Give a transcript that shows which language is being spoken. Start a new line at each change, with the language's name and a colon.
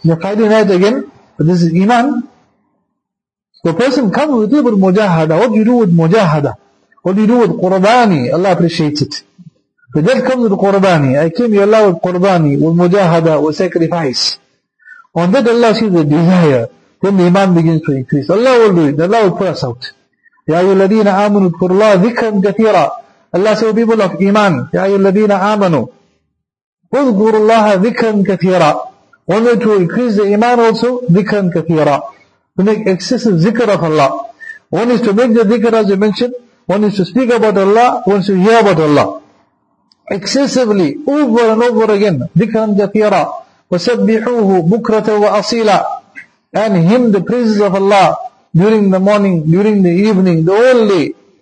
English: On a Friday night again. But this is iman. The person comes with it with mujahada. What do you do with mujahada? What do you do with qurbani? Allah appreciates it. But that comes with qurbani. I came to Allah with qurbani, with mujahada, with sacrifice. On that Allah sees the desire. Then the iman begins to increase. Allah will do it. Allah will pull us out.
Arabic: يا أيها الذين آمنوا اذكروا الله ذكرا كثيرا.
English: Allah says, people of iman,
Arabic: يا أيها الذين آمنوا اذكروا الله ذكرا كثيرا.
English: Only to increase the iman also,
Arabic: ذكرا كثيرا.
English: To make excessive zikr of Allah. One is to make the dhikr as you mentioned. One is to speak about Allah. One is to hear about Allah. Excessively, over and over again,
Arabic: dhikran jathira, wasabbihuhu bukrata wa asila,
English: and hymn the praises of Allah during the morning, during the evening, the whole day.